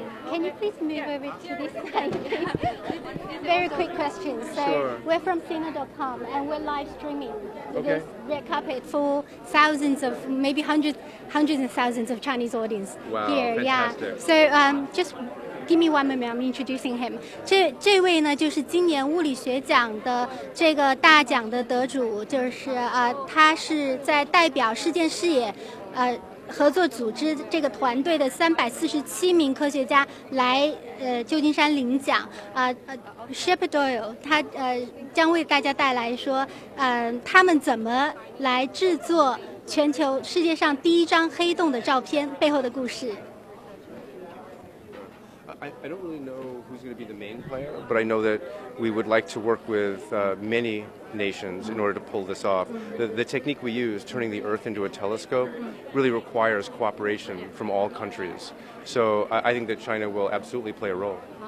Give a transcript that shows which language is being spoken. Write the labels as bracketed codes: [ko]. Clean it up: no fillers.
[en] Can you please move over to this side? Very quick question. So sure. We're from Sina.com, and we're live streaming this red carpet for thousands of, maybe hundreds and thousands of Chinese audience here. Wow, fantastic. Yeah. So just give me 1 minute, I'm introducing him. [zh] 这位呢，就是今年物理学奖的这个大奖的得主，就是他是在代表事件视野，合作组织这个团队的347名科学家来旧金山领奖Shepard Doyle 他将为大家带来说他们怎么来制作全球世界上第一张黑洞的照片背后的故事。 [en] I don't really know who's going to be the main player, but I know that we would like to work with many nations in order to pull this off. The technique we use, turning the Earth into a telescope, really requires cooperation from all countries. So I think that China will absolutely play a role.